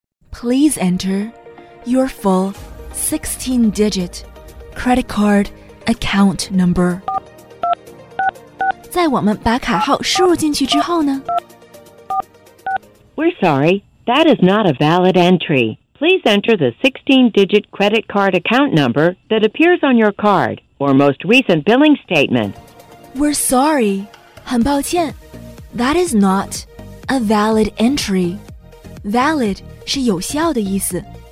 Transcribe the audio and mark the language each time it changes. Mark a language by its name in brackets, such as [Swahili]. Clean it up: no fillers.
[English] Please enter your full 16-digit credit card account number. [Chinese] 在我们把卡号输入进去之后呢？ [English] We're sorry, that is not a valid entry. Please enter the 16-digit credit card account number that appears on your card or most recent billing statement. We're sorry, [Chinese] 很抱歉。 [English] That is not a valid entry. [Chinese] Valid 是有效的意思。